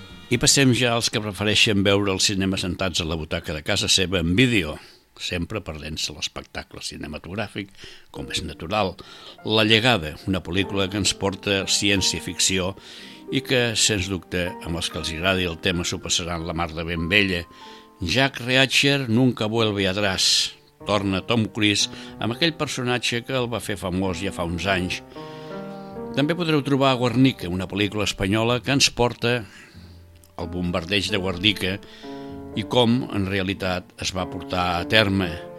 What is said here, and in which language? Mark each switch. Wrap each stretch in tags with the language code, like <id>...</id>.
<ca>I passem ja als que prefereixen veure el cinema sentats a la butaca de casa seva en vídeo, sempre perdent-se l'espectacle cinematogràfic, com és natural. La Llegada, una pel·lícula que ens porta ciència-ficció i que, sens dubte, amb els que els agradi el tema s'ho passaran la mar de ben vella.</ca> <es>Jack Reacher nunca vuelve atrás.</es> <ca>Torna Tom Cruise amb aquell personatge que el va fer famós ja fa uns anys. També podreu trobar Guernica, una pel·lícula espanyola que ens porta el bombardeig de Guernica i com, en realitat, es va portar a terme.</ca>